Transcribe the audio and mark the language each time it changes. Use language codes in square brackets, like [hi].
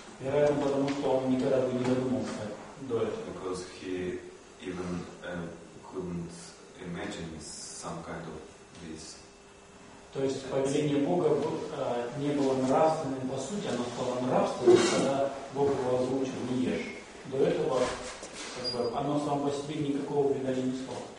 [ru] Вероятно, потому что он никогда бы не додумался до этого. [en] Because he even couldn't imagine some kind of this. [ru] То есть повеление Бога не было нравственным, по сути, оно стало нравственным, когда Бог его озвучил, не ешь. До этого как бы, оно само по себе никакого вреда не несло.